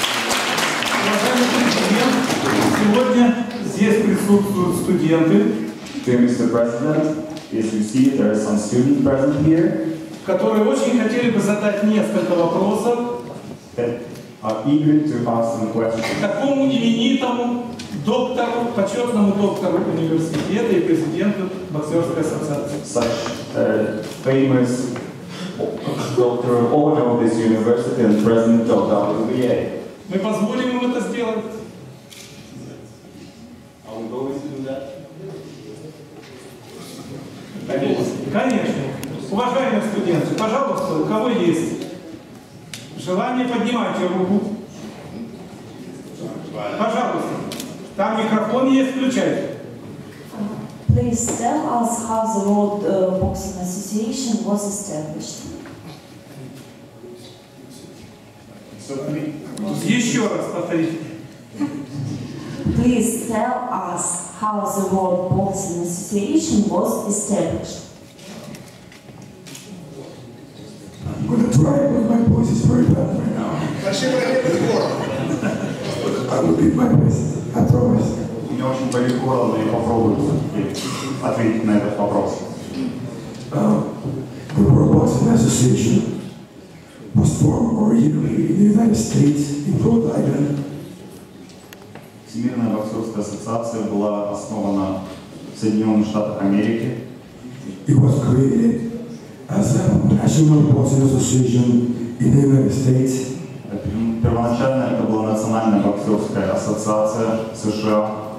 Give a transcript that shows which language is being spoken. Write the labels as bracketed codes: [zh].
[ru] Уважаемый президент, сегодня здесь присутствуют студенты. [en] Dear Mr. President, as you see, there are some students present here. [ru] Которые очень хотели бы задать несколько вопросов. [en] Are eager to ask some questions. [ru] Такому именитому доктору, почетному доктору университета и президенту боксерской ассоциации. [en] Such a famous doctor of honor of this university and president of WBA. [ru] Мы позволим им это сделать. [en] Are we going to do that? [ru] Конечно. Уважаемые студенты, пожалуйста, у кого есть желание, поднимайте руку. Пожалуйста. Там микрофон есть, включайте. [en] Please tell us how the World Boxing Association was established. [ru] Еще раз повторите. [en] Please tell us how the World Boxing Association was established. I'm going to try, but my voice is very bad right now. I will beat my voice, I promise. [ru] У меня очень болит горло, но я попробую ответить на этот вопрос. [en] The World Boxing Association was formed originally in the United States in Rhode Island. [ru] Всемирная боксерская ассоциация была основана в Соединенных Штатах Америки. [en] It was created as a national boxing association in the United States. [ru] Первоначально это была национальная боксерская ассоциация США.